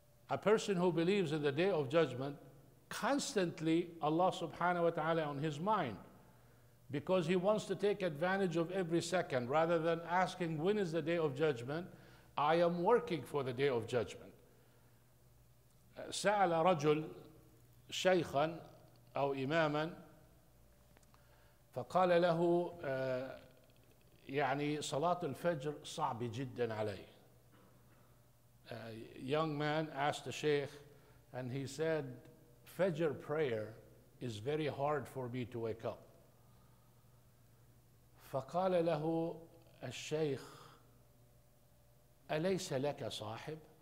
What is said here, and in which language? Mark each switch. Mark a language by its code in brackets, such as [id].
[en] A person who believes in the day of judgment, constantly Allah subhanahu wa ta'ala on his mind, because he wants to take advantage of every second. Rather than asking when is the day of judgment, I am working for the day of judgment. [ar] سأل رجل شيخا أو إماما فقال له يعني صلاة الفجر صعب جدا علي. [en] A young man asked the sheikh, and he said, Fajr prayer is very hard for me to wake up. [ar] فقال له الشيخ أليس لك صاحب?